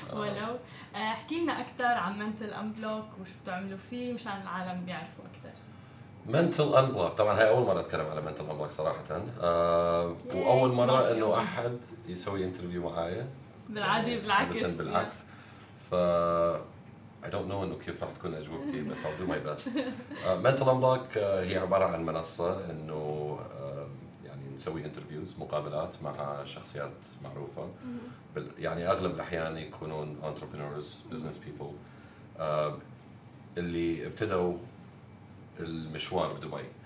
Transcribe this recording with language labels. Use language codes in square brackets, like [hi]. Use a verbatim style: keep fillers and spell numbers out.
[ar] ولو احكي لنا أكتر عن منتل أنبلوك وشو بتعملوا فيه مشان العالم بيعرفوا أكتر. منتل أنبلوك طبعاً هاي أول مرة أتكلم على منتل أنبلوك صراحةً، أه وأول مرة إنه أحد يسوي انترفيو معايا. بالعادي بالعكس. بالعكس. ف. [en] I don't know [ar] إنه كيف راح تكون أجوبتي بس [en] I'll do my best. [ar] Mental Unblock هي عبارة عن منصة إنه يعني نسوي interviews مقابلات مع شخصيات معروفة، يعني أغلب الأحيان يكونون [en] entrepreneurs business people [ar] اللي ابتدوا المشوار بدبي.